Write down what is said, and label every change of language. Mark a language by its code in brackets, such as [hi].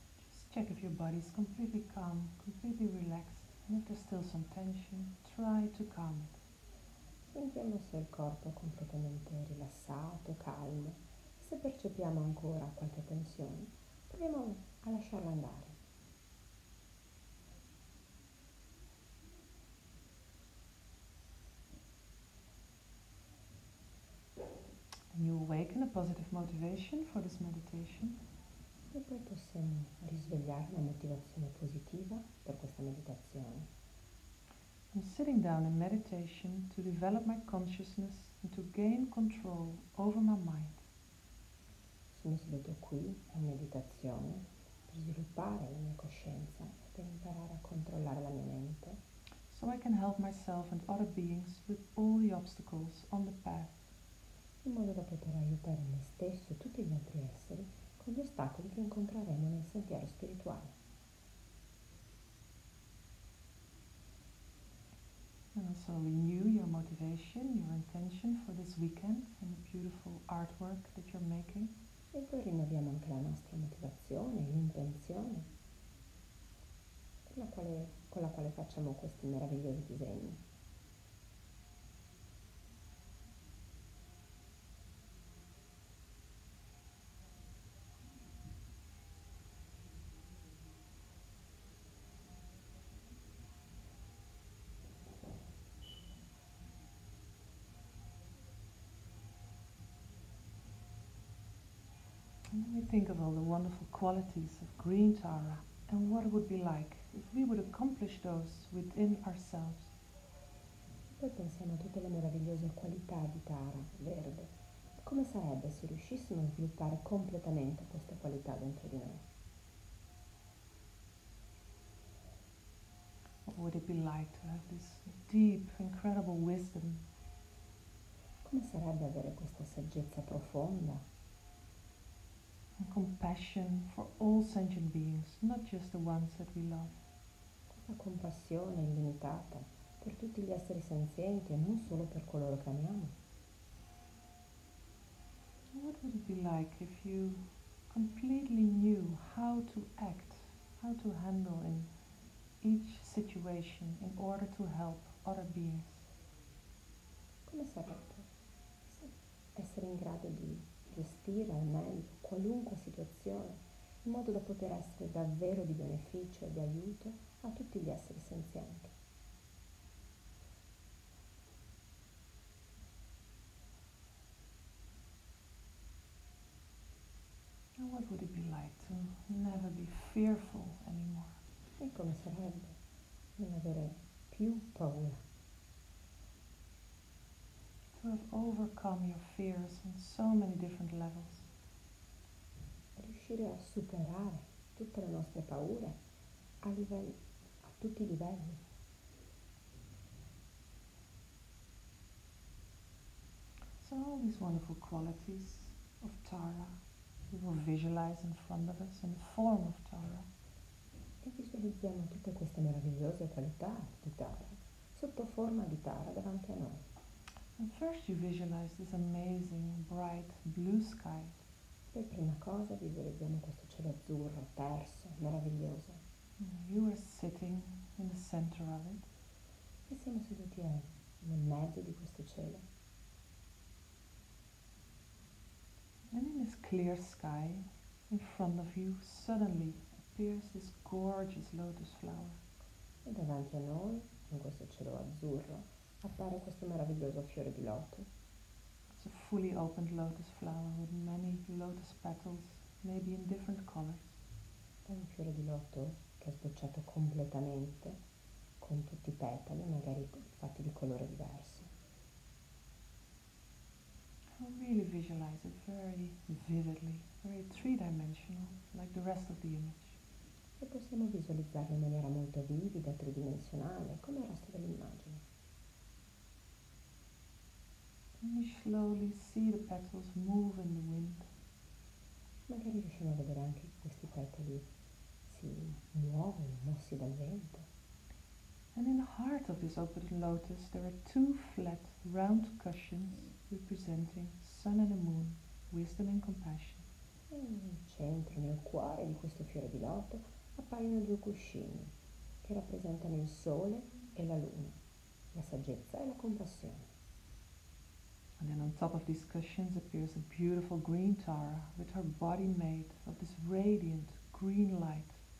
[en] Just check if your body is completely calm, completely relaxed, and if there's still some tension, try to calm it. [it] Sentiamo se il corpo è completamente rilassato, calmo. Se percepiamo ancora qualche tensione, proviamo a lasciarla andare. [en] You awaken a positive motivation for this meditation. [it] E poi possiamo risvegliare una motivazione positiva per questa meditazione. [en] I'm sitting down in meditation to develop my consciousness and to gain control over my mind. [it] Sono seduto qui in meditazione per sviluppare la mia coscienza e per imparare a controllare la mia mente. [en] So I can help myself and other beings with all the obstacles on the path. [it] In modo da poter aiutare me stesso e tutti gli altri esseri con gli ostacoli che incontreremo nel sentiero spirituale. [en] And also renew your motivation, your intention for this weekend and the beautiful artwork that you're making. [it] E poi rinnoviamo anche la nostra motivazione, l'intenzione con la quale facciamo questi meravigliosi disegni. [en] Think of all the wonderful qualities of green Tara and what it would be like if we would accomplish those within ourselves. [it] Poi pensiamo a tutte le meravigliose qualità di Tara verde. Come sarebbe se riuscissimo a sviluppare completamente queste qualità dentro di noi? [en] What would it be like to have this deep, incredible wisdom? [it] Come sarebbe avere questa saggezza profonda? [en] And compassion for all sentient beings, not just the ones that we love. [it] Questa compassione illimitata per tutti gli esseri senzienti e non solo per coloro che amiamo. [en] What would it be like if you completely knew how to act, how to handle in each situation in order to help other beings? [it] Come sarebbe essere in grado di gestire al meglio qualunque situazione in modo da poter essere davvero di beneficio e di aiuto a tutti gli esseri senzienti. [en] And what would it be like to never be fearful anymore? [it] E come sarebbe non avere più paura? [en] To have overcome your fears on so many different levels. [it] Riuscire a superare tutte le nostre paure a livelli, a tutti i livelli. [en] So all these wonderful qualities of Tara we will visualize in front of us in the form of Tara. [it] E visualizziamo tutte queste meravigliose qualità di Tara sotto forma di Tara davanti a noi. [en] And first you visualize this amazing bright blue sky. [it] Per prima cosa visualizziamo questo cielo azzurro, terso, meraviglioso. [en] You are sitting in the center of it. [it] E siamo seduti nel mezzo di questo cielo. [en] And in this clear sky, in front of you, suddenly appears this gorgeous lotus flower. [it] E davanti a noi, in questo cielo azzurro, appare questo meraviglioso fiore di loto. [en] It's a fully opened lotus flower with many lotus petals, maybe in different colors. [it] È un fiore di loto che è sbocciato completamente, con tutti i petali, magari fatti di colore diverso. [en] I really visualize it very vividly, very three-dimensional, like the rest of the image. [it] E possiamo visualizzarlo in maniera molto vivida, tridimensionale, come il resto dell'immagine. [en] And you slowly see the petals move in the wind. [it] Magari riusciamo a vedere anche questi petali si muovono, mossi dal vento. [en] And in the heart of this open lotus, there are two flat, round cushions representing sun and the moon, wisdom and compassion. [it] Nel centro, nel cuore di questo fiore di loto, appaiono due cuscini che rappresentano il sole e la luna, la saggezza e la compassione. [en] And then on top of these cushions appears a beautiful green Tara with her body made of this radiant green light.